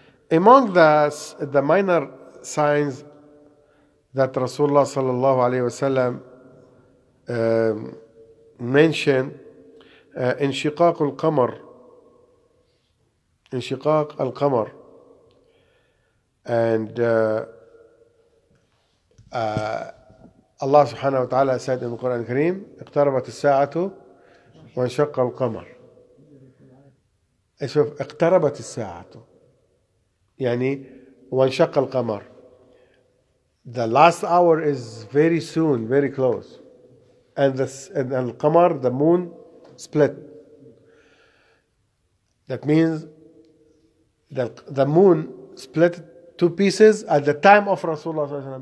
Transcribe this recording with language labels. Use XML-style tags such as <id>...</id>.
<en>Among the minor signs that Rasulullah sallallahu alayhi wa sallam mentioned, انشقاق القمر, انشقاق القمر, and Allah subhanahu wa ta'ala said in the Quran Kareem, اقتربت الساعة وانشق القمر.</en> <ar>اشوف اقتربت الساعة يعني وانشق القمر.</ar> <en>The last hour is very soon, very close. And al-qamar, the moon, split. That means the moon split two pieces at the time of Rasulullah.</en>